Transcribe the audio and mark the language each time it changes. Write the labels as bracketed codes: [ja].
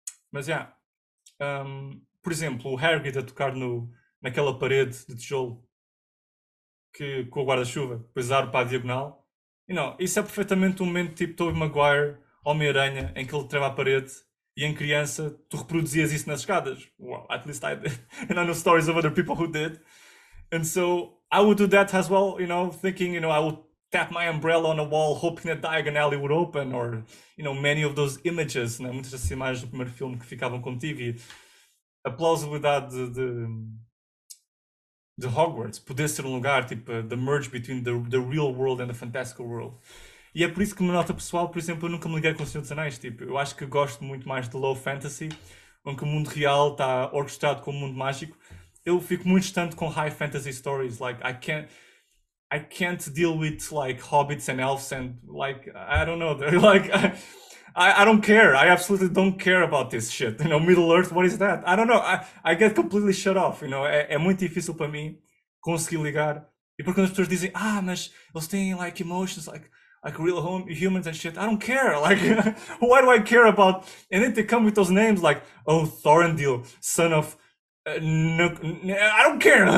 [pt] Mas, yeah. Por exemplo, o Hagrid a tocar no, naquela parede de tijolo que, com o guarda-chuva, depois abre para a diagonal. E não, isso é perfeitamente um momento tipo Tobey Maguire, Homem-Aranha, em que ele treme a parede e em criança tu reproduzias isso nas escadas. [en] Well, at least I did. And I know stories of other people who did. And so, I would do that as well, you know, thinking, you know, I would tap my umbrella on a wall, hoping that Diagon Alley would open, or, you know, many of those images, né? [pt] Muitas das imagens do primeiro filme que ficavam contigo, e a plausibilidade de Hogwarts poder ser um lugar, tipo, [en] the merge between the real world and the fantastical world. [pt] E é por isso que, uma nota pessoal, por exemplo, eu nunca me liguei com o Senhor dos Anéis, tipo, eu acho que gosto muito mais de low fantasy, onde o mundo real está orquestrado com o mundo mágico. Eu fico muito distante com [en] high fantasy stories, like, I can't deal with, like, hobbits and elves and, like, I don't know, like, I don't care, I absolutely don't care about this shit, you know, Middle Earth, what is that? I don't know, I get completely shut off, you know, [pt] é muito difícil para mim conseguir ligar, e porque as pessoas dizem, ah, mas eles têm, [en] like, emotions, like real humans and shit, I don't care, like, why do I care about, and then they come with those names, like, oh, Thorndil, son of, no, I don't care.